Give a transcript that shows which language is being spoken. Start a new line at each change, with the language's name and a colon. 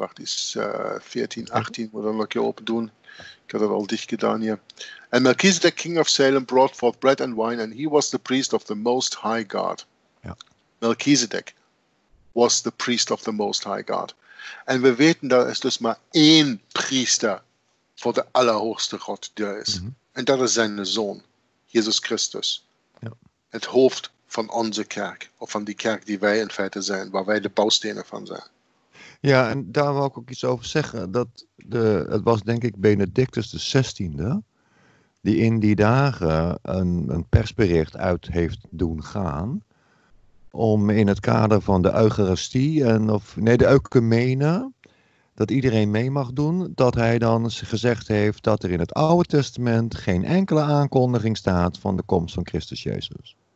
Dutch: Wacht eens, 14, 18, moet dan nog een keer open doen. Ik had dat al dicht gedaan hier.
English: En Melchizedek, king of Salem, brought forth bread and wine, and he was the priest of the most high God.
Dutch: Ja.
English: Melchizedek was the priest of the most high God.
Dutch: En we weten, dat is dus maar één priester voor de allerhoogste God die er is. En dat is zijn zoon. Jesus Christus, ja. Het hoofd van onze kerk, of van die kerk die wij in feite zijn, waar wij de bouwstenen van zijn. Ja, en daar wil ik ook iets over zeggen, dat het was denk ik Benedictus de 16e, die in die dagen een persbericht uit heeft doen gaan, om in het kader van de Eucharistie, en of nee, de Eucumene, dat iedereen mee mag doen, dat hij dan gezegd heeft dat er in het Oude Testament geen enkele aankondiging staat van de komst van Christus Jezus.